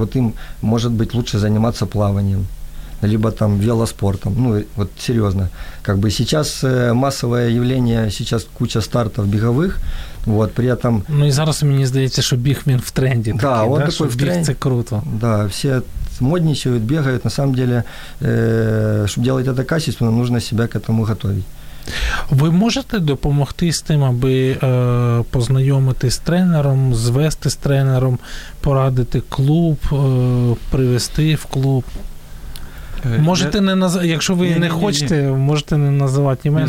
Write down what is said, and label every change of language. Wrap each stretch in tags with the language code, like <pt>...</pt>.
<uk>От їм, може бути, краще займатися плаванням.</uk> <ru>Либо там велоспортом. Серьезно. Сейчас массовое явление, сейчас куча стартов беговых. Вот, при этом...</ru> <uk>и зараз</uk> <ru>мне кажется, что бег мен в тренде. Да, такий, он такой в тренде. Бег – это круто. Да, все модничают, бегают. На самом деле, чтобы делать это качественно, нужно себя к этому готовить.</ru> <uk>Ви можете допомогти з тим, аби познайомитись з тренером, звести з тренером, порадити клуб, привести в клуб? Можете не називати, якщо ви не хочете, можете не називати імен.</uk>